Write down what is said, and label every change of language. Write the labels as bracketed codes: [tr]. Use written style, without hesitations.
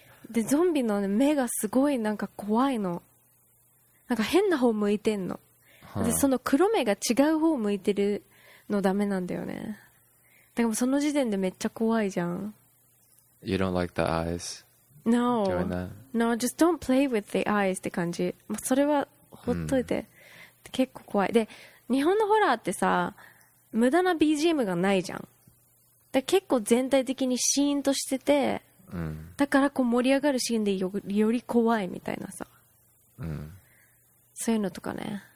[ja] で、ゾンビの、ね、目がすごいなんか怖いの。なんか変な方向いてんの。で、その黒目が違う方向いてるのダメなんだよね。だからその時点でめっちゃ怖いじゃん。 [en] You don't like the eyes? No. No, just don't play with the eyes [ja] って感じ。まあ、それはほっといて。結構怖い。で、日本のホラーってさ、無駄な BGM がないじゃん。だ結構全体的にシーンとしてて、だからこう盛り上がるシーンでより怖いみたいなさ、そういうのとかね。